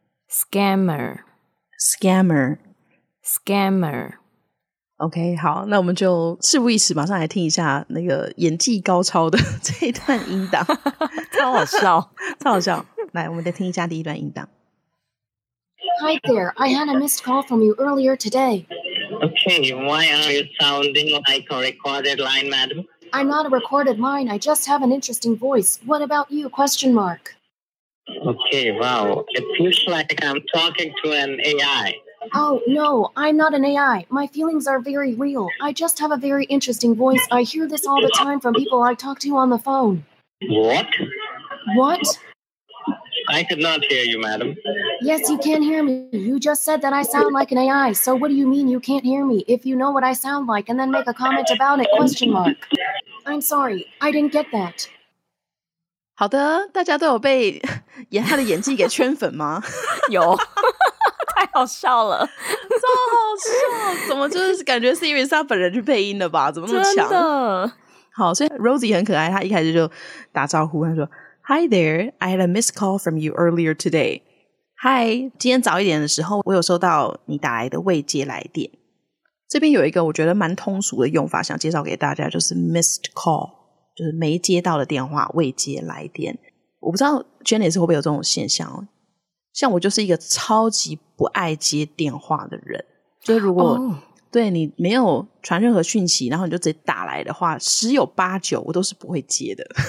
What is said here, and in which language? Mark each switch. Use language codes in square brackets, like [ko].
[en] scammer， scammer， scammer。 [zh] OK， 好，那我们就事不宜迟，马上来听一下那个演技高超的这一段音档。超好笑，超好笑。来，我们再听一下第一段音档。 [en] Hi there, I had a missed call from you earlier today. Okay, why are you sounding like a recorded line, madam? I'm not a recorded line, I just have an interesting voice. What about you, question mark? Okay, wow, it feels like I'm talking to an AI. Oh, no, I'm not an AI. My feelings are very real. I just have a very interesting voice. I hear this all the time from people I talk to on the phone. What? What? I could not hear you, madam. Yes, you can hear me. You just said that I sound like an AI. So what do you mean you can't hear me? If you know what I sound like and then make a comment about it, question mark. I'm sorry, I didn't get that. [zh] 好的，大家都有被他的演技给圈粉吗？有。太好笑了。超好笑。怎么就是感觉 Siri 是他本人去配音的吧？怎么那么强？真的。好，所以 Rosie 很可爱，他一开始就打招呼，他说 [en] Hi there, I had a missed call from you earlier today. [zh] Hi, 今天早一点的时候，我有收到你打来的未接来电。这边有一个我觉得蛮通俗的用法，想介绍给大家，就是 missed call， 就是没接到的电话，未接来电。我不知道 Jenny 是会不会有这种现象哦。像我就是一个超级不爱接电话的人，所以如果、对你没有传任何讯息，然后你就直接打来的话，十有八九我都是不会接的。